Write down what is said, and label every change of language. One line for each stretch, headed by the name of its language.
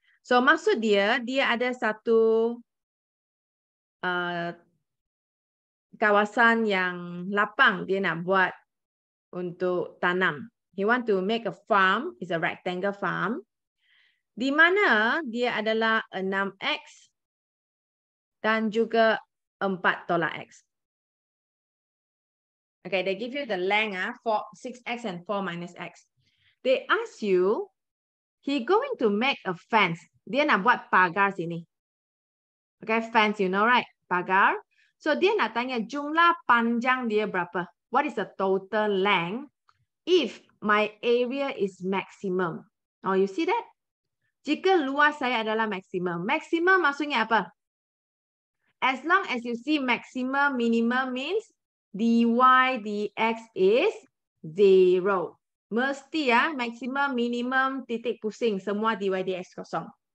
Malay: So, maksud dia, dia ada satu kawasan yang lapang dia nak buat untuk tanam.
English: He want to make a farm. It's a rectangle farm.
Malay: Di mana dia adalah 6x dan juga 4 tolak x.
English: Okay, they give you the length, 6x and 4 minus x. They ask you, he going to make a fence.
Malay: Dia nak buat pagar sini. Okay, fence, you know, right? Pagar. So, dia nak tanya jumlah panjang dia berapa?
English: What is the total length if my area is maximum? Oh, you see that?
Malay: Jika luas saya adalah maximum.
English: Maximum maksudnya apa? As long as you see maximum, minimum means dy dx is 0.
Malay: Mesti ya, maksimum, minimum, titik pusing, semua dy dx kosong.